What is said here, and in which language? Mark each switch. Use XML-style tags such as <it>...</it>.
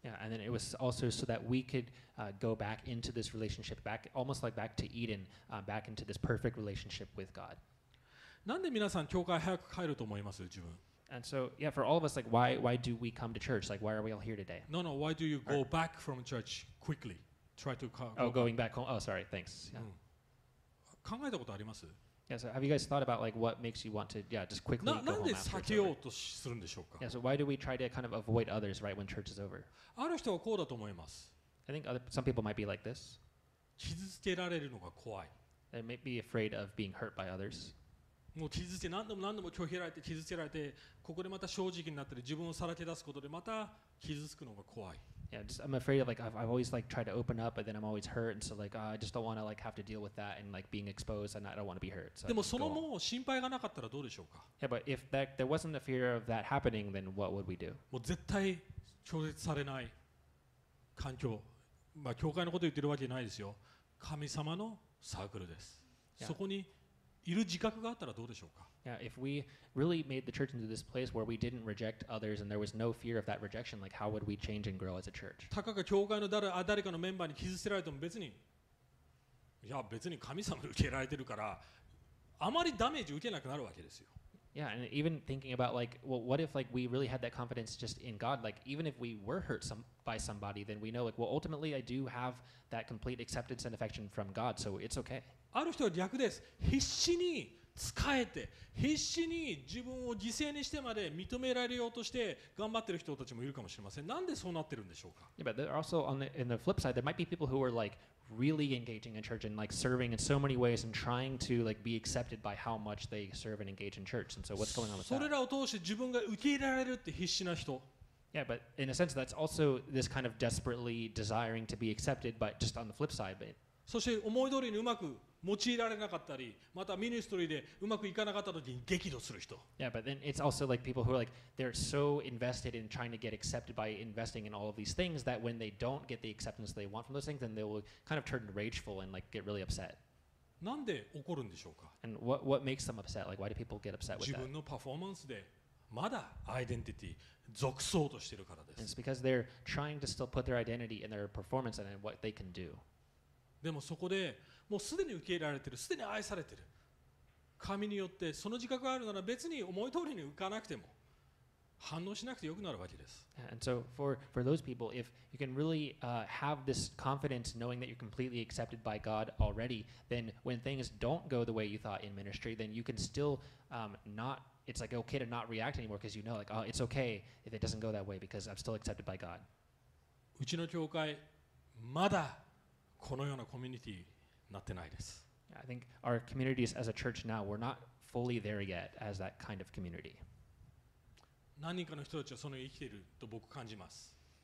<en>Yeah, and then it was also so that we could go back into this relationship, back almost like back to Eden, back into this perfect relationship with God.</en> <ja>なんで皆さん教会早く帰ると思います、自分。</ja> <en>And so, yeah, for all of us, like, why do we come to church? Like, why are we all here today? No, why do you go back from church quickly? Try to going back home. Oh, sorry, thanks.</en> <ja>Yeah. 考えたことあります?</ja> <en>Yeah, so have you guys thought about, like, what makes you want to, yeah, just quickly go home after church?</en> <ja>なんで避けようとするんでしょうか?</ja> <en>Yeah, so why do we try to kind of avoid others right when church is over?</en> <ja>ある人はこうだと思います。</ja> <en>I think some people might be like this.</en> <ja>傷つけられるのが怖い。</ja> <en>They may be afraid of being hurt by others.</en> <ja>もう傷つけ何度も何度も拒否られて傷つけられてここでまた正直になったり自分をさらけ出すことでまた傷つくのが怖い。</ja> <en>Yeah, just, I'm afraid of like I've always like tried to open up, but then I'm always hurt, and so like I just don't want to like have to deal with that and like being exposed, and I don't want to be hurt.</en> <ja>でもそのもう心配がなかったらどうでしょうか。</ja> <en>Yeah, but if that there wasn't a fear of that happening, then what would we do?</en> <ja>もう絶対拒絶されない環境、まあ教会のこと言ってるわけじゃないですよ。神様のサークルです。Yeah. そこにいる自覚があったらどうでしょうか?</ja> <en>Yeah, if we really made the church into this place where we didn't reject others and there was no fear of that rejection, like how would we change and grow as a church?</en> <ja>たかが教会の誰かのメンバーに傷つけられても別に、いや別に神様に受けられてるからあまりダメージ受けなくなるわけですよ。</ja> <en>Yeah, and even thinking about like, well, what if like we really had that confidence just in God? Like, even if we were hurt by somebody, then we know like, well, ultimately I do have that complete acceptance and affection from God, so it's okay.</en> <ja>ある人は逆です。必死に仕えて、必死に自分を犠牲にしてまで認められようとして頑張ってる人たちもいるかもしれません。なんでそうなってるんでしょうか?</ja> <en>Yeah, but there are also in the flip side, there might be people who are like. Really engaging in church and like serving in so many ways and trying to like be accepted by how much they serve and engage in church. And so, what's going on with that?</en> <ja>それらを通して自分が受け入れられるって必死な人。</ja> <en>Yeah, but in a sense, that's also this kind of desperately desiring to be accepted, but just on the flip side. But</en> <ja>そして思い通りにうまく用いられなかったり、またミニストリーでうまくいかなかった時に激怒する人。</ja> <en>Yeah, but then it's also like people who are like they're so invested in trying to get accepted by investing in all of these things that when they don't get the acceptance they want from those things, then they will kind of turn rageful and like get really upset. なんで怒るんでしょうか? And what makes them upset? Like why do people get upset with that?</en> <ja>自分のパフォーマンスでまだアイデンティティ属そうとしているからです。</ja> <en>It's because they're trying to still put their identity in their performance and in what they can do.</en> <ja>でもそこでもうすでに受け入れられてる、すでに愛されてる。神によってその自覚があるなら別に思い通りに浮かなくても反応しなくてよくなるわけです。</ja> <en>And so for those people, if you can really have this confidence knowing that you're completely accepted by God already, then when things don't go the way you thought in ministry, then you can still not, it's like okay to not react anymore because you know like, oh, it's okay if it doesn't go that way because I'm still accepted by God.</en> <ja>うちの教会まだこのようなコミュニティになってないです。</ja> <en>Yeah, I think our communities as a church now, we're not fully there yet as that kind of community.</en> <ja>何人かの人たちはそのように生きていると僕感じます。</ja>